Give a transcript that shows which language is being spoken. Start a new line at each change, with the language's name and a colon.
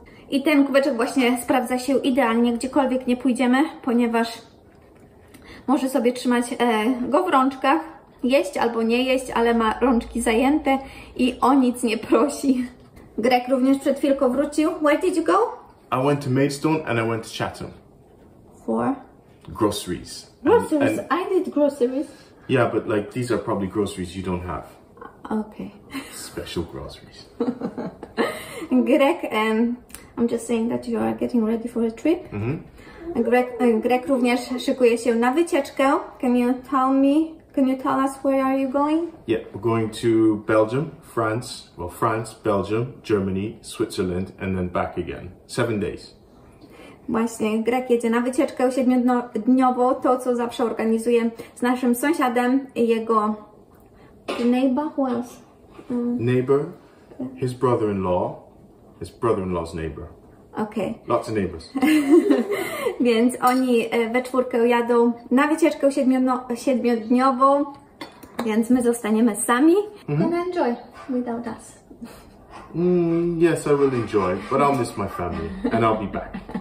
Polish: I ten kubeczek właśnie sprawdza się idealnie, gdziekolwiek nie pójdziemy, ponieważ może sobie trzymać go w rączkach, jeść albo nie jeść, ale ma rączki zajęte i o nic nie prosi. Greg również przed chwilką wrócił.
English: Where did you go? I went to Maidstone and I went to Chatham. For? Groceries. Groceries? I need groceries. Yeah, but like these are probably groceries you don't have. Okay. Special groceries. Greg, I'm just saying that you are getting ready for a trip. Mm-hmm.
Polish: Greg również szykuje się na wycieczkę.
English: Can you tell us where are you going? Yeah, we're going to Belgium, France, well, France, Belgium, Germany, Switzerland, and then back again. 7 days.
Polish: Właśnie, Greg jedzie na wycieczkę 7-dniową, to co zawsze organizuje z naszym sąsiadem i jego...
English: Neighbor, who else? Neighbor, okay. His brother-in-law's neighbor. Okay. Lots of neighbors.
Polish: Więc oni we czwórkę jadą na wycieczkę 7-dniową, więc my zostaniemy sami.
English: Mm-hmm. And enjoy without us. Yes, I will enjoy, but I'll miss my family and I'll be back.